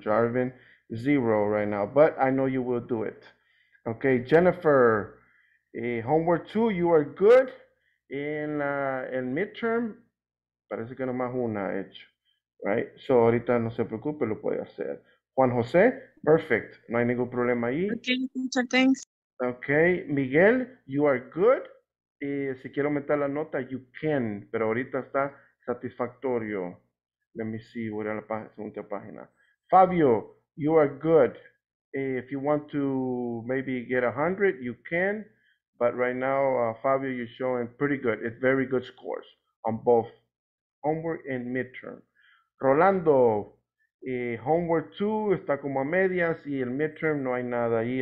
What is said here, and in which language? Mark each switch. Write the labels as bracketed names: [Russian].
[English] Jarvin, 0 right now, but I know you will do it. Okay, Jennifer, homework 2, you are good. [Spanish] En midterm, parece que nomás una hecho, right? So ahorita no se preocupe, lo puede hacer. Juan José, perfect, no hay ningún problema ahí. [English] Okay, teacher, thanks. Okay, Miguel, you are good. [Spanish] Si quiero aumentar la nota, [English] you can, [Spanish] pero ahorita está satisfactorio. [English] Let me see, [Spanish] voy a la segunda página. [English] Fabio, you are good. If you want to maybe get 100, you can. But right now, Fabio, you're showing pretty good. It's very good scores on both homework and midterm. [Spanish] Rolando, homework 2 está como a medias y el midterm no hay nada ahí.